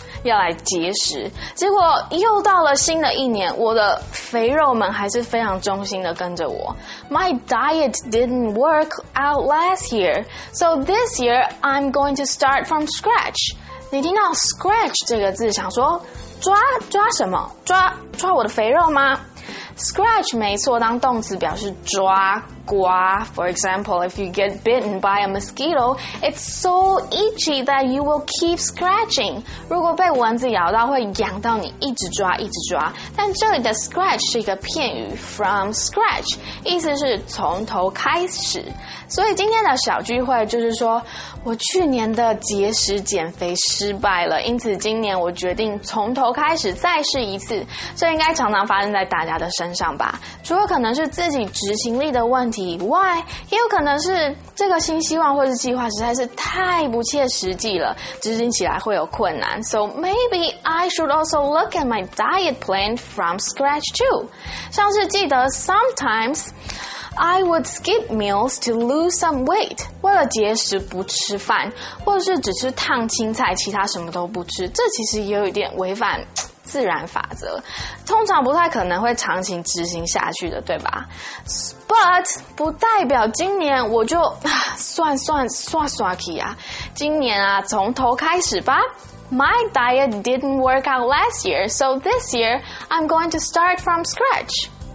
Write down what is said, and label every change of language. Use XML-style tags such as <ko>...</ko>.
<zh>要来节食，结果又到了新的一年，我的肥肉们还是非常忠心的跟着我。</zh> <en>My diet didn't work out last year, so this year I'm going to start from scratch.</en> <zh>你听到 scratch 这个字想说抓抓什么？抓我的肥肉吗？Scratch 没错，当动词表示抓、刮。</zh> <en>For example, if you get bitten by a mosquito, it's so itchy that you will keep scratching.</en> <zh>如果被蚊子咬到，会痒到你一直抓、一直抓。但这里的 scratch 是一个片语 ，from scratch， 意思是从头开始。所以今天的小聚会就是说，我去年的节食减肥失败了，因此今年我决定从头开始再试一次。这应该常常发生在大家的身上吧？除了可能是自己执行力的问题以外，也有可能是这个新希望或是计划实在是太不切实际了，执行起来会有困难。</zh> <en>So maybe I should also look at my diet plan from scratch too.</en> <zh>像是记得 sometimes.</zh> <en>I would skip meals to lose some weight.</en> <zh>为了节食不吃饭，或者是只吃烫青菜，其他什么都不吃，这其实也有一点违反自然法则，通常不太可能会长期执行下去的，对吧？ But 不代表今年我就算起啊，今年啊，从头开始吧。</zh> <en>My diet didn't work out last year, so this year I'm going to start from scratch.</en>